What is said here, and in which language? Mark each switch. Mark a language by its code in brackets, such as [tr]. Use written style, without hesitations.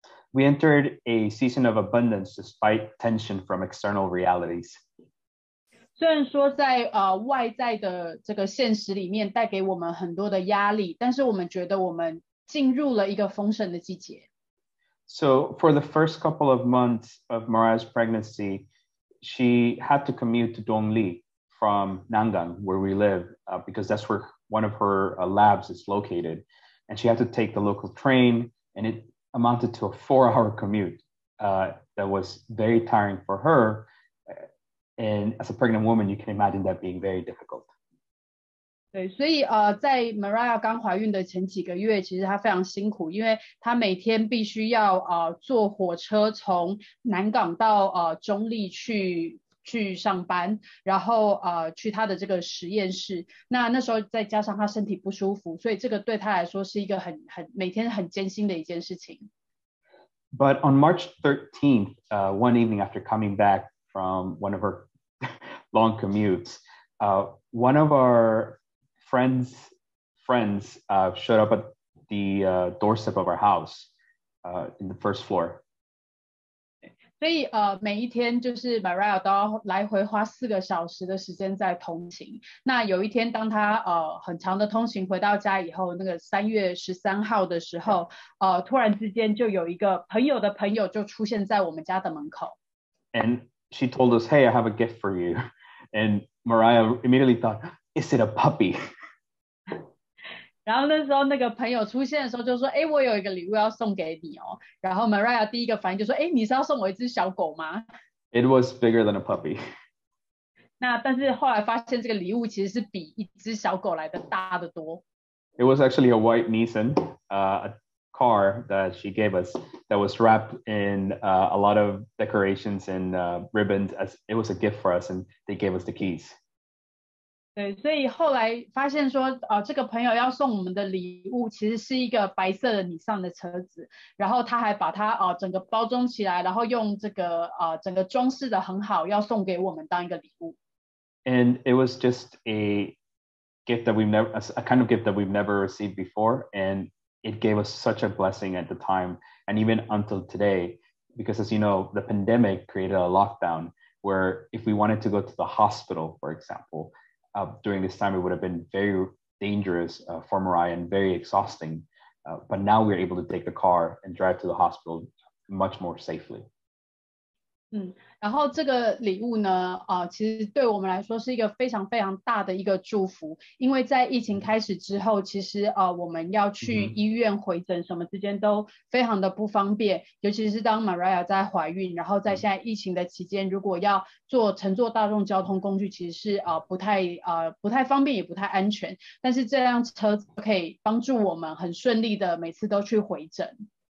[en] We entered a season of abundance despite tension from external realities. [zh] 虽然说在、外在的这个现实里面带给我们很多的压力，但是我们觉得我们进入了一个丰盛的季节。 [en] So for the first couple of months of Mariah's pregnancy, she had to commute to Dongli from Nangang, where we live, because that's where one of her labs is located. And she had to take the local train, and itAmounted to a four-hour commute that was very tiring for her. And as a pregnant woman, you can imagine that being very difficult. [zh] 对，所以、在 Mariah 刚怀孕的前几个月，其实她非常辛苦，因为她每天必须要、坐火车从南港到、中立去上班，然后、去她的这个实验室。那时候再加上她身体不舒服，所以这个对她来说是一个很每天很艰辛的一件事情。 [en] But on March 13th, one evening after coming back from one of her long commutes, one of our friends showed up at the doorstep of our house in the first floor. [zh] 所以、每一天就是 Mariah 都要来回花四个小时的时间在通勤。那有一天当她、很长的通勤回到家以后，那个三月十三号的时候、突然之间就有一个朋友的朋友就出现在我们家的门口。 [en] And she told us, hey, I have a gift for you. And Mariah immediately thought, is it a puppy? [zh] 然后那时候那个朋友出现的时候就说，诶，我有一个礼物要送给你哦。然后 Mariah 第一个反应就说，诶，你是要送我一只小狗吗？ [en] It was bigger than a puppy. [zh] 那但是后来发现这个礼物其实是比一只小狗来的大得多。 [en] It was actually a white Nissan, a car that she gave us that was wrapped in a lot of decorations and ribbons. As it was a gift for us, and they gave us the keys. [zh] 对，所以后来发现说，这个朋友要送我们的礼物其实是一个白色的尼桑的车子，然后他还把它整个包装起来，然后用这个整个装饰的很好，要送给我们当一个礼物。 [en] And it was just a gift that we've never, a kind of gift that we've never received before, and it gave us such a blessing at the time, and even until today, because as you know, the pandemic created a lockdown where if we wanted to go to the hospital, for example. During this time, it would have been very dangerous for Mariah and very exhausting. But now we're able to take the car and drive to the hospital much more safely. [zh] 嗯，然后这个礼物呢，其实对我们来说是一个非常非常大的一个祝福，因为在疫情开始之后，其实我们要去医院回诊什么之间都非常的不方便，尤其是当 Mariah 在怀孕，然后在现在疫情的期间，如果要乘坐大众交通工具，其实是不太方便也不太安全，但是这辆车可以帮助我们很顺利的每次都去回诊。